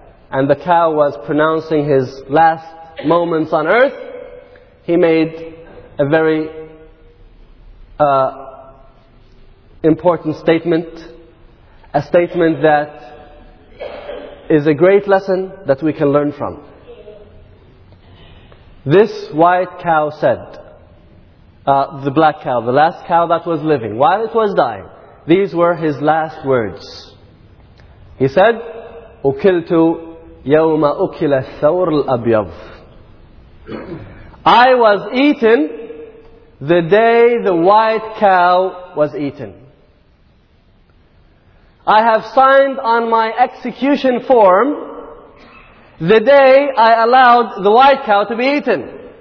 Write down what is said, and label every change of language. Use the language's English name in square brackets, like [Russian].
[English] and the cow was pronouncing his last moments on earth, he made a very important statement, a statement that is a great lesson that we can learn from. This white cow said, the black cow, the last cow that was living, while it was dying, these were his last words. He said, [Arabic] أُكِلْتُ يَوْمَ أُكِلَ الثَّوْرُ الْأَبْيَضُ. [English] I was eaten the day the white cow was eaten. I have signed on my execution form the day I allowed the white cow to be eaten.